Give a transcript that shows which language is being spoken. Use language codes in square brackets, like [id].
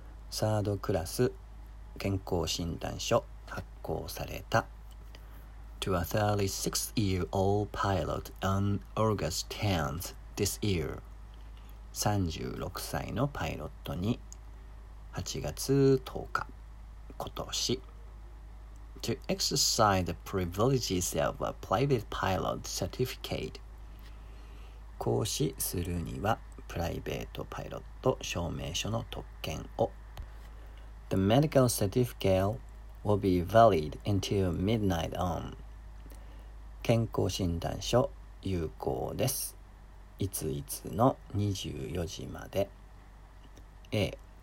[ja] サードクラス健康診断書発行された。 [en] To a 36-year-old pilot on August 10th this year. [ja] 36歳のパイロットに8月10日今年。 [en] To exercise the privileges of a private pilot certificate. [ja] 行使するにはプライベートパイロット証明書の特権を。 [en] The medical certificate will be valid until midnight on. [ja] 健康診断書有効です。いついつの24時まで。A.